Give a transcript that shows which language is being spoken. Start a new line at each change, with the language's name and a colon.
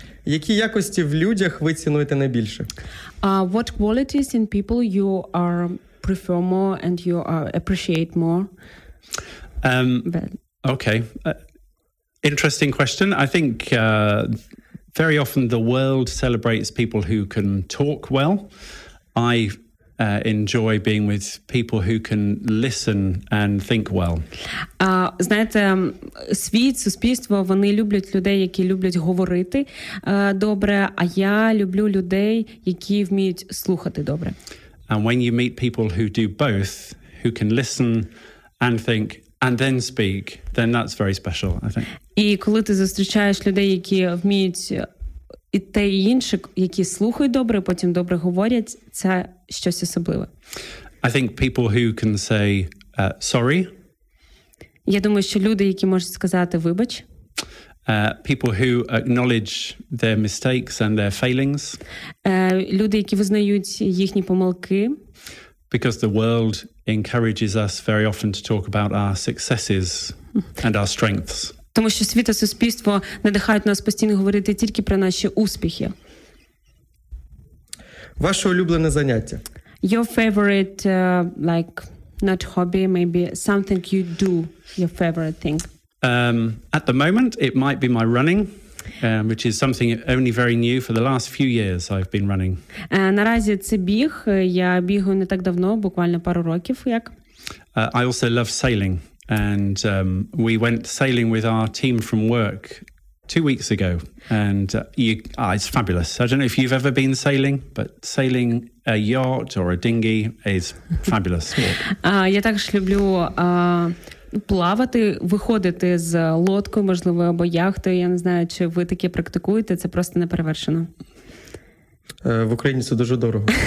Ukrainian: Які якості в людях ви цінуєте найбільше?
English: What qualities in people you are prefer more and you are appreciate more? Okay. Interesting question. I think very often the world celebrates people who can talk well. I enjoy being with people who can listen and think well.
Ukrainian: Знаєте, світ, суспільство, вони люблять людей, які люблять говорити добре, а я люблю людей, які вміють слухати добре.
English: And when you meet people who do both, who can listen and think and then speak, then that's very special, I think.
Ukrainian: І коли ти зустрічаєш людей, які вміють і те, і інше, які слухають добре, потім добре говорять, це щось особливе.
English: I think people who can say sorry.
Ukrainian: Я думаю, що люди, які можуть сказати вибач.
English: People who acknowledge their mistakes and their failings.
Ukrainian: Люди, які визнають їхні помилки.
English: Because the world encourages us very often to talk about our successes and our strengths.
Ukrainian: Тому що світ та суспільство надихають нас постійно говорити тільки про наші успіхи. Ваше улюблене заняття?
English: Your favorite, not hobby, maybe something you do, your favorite thing. At the moment, it might be my running, which is something only very new. For the last few years, I've been running.
Ukrainian: Наразі це біг. Я бігаю не так давно, буквально пару років, як.
English: I also love sailing. And we went sailing with our team from work 2 weeks ago. And it's fabulous. I don't know if you've ever been sailing, but sailing a yacht or a dinghy is fabulous.
Ukrainian: Я також люблю плавати, виходити з лодкою, можливо, або яхтою. Я не знаю, чи ви таке практикуєте, це просто неперевершено. В Україні це дуже дорого.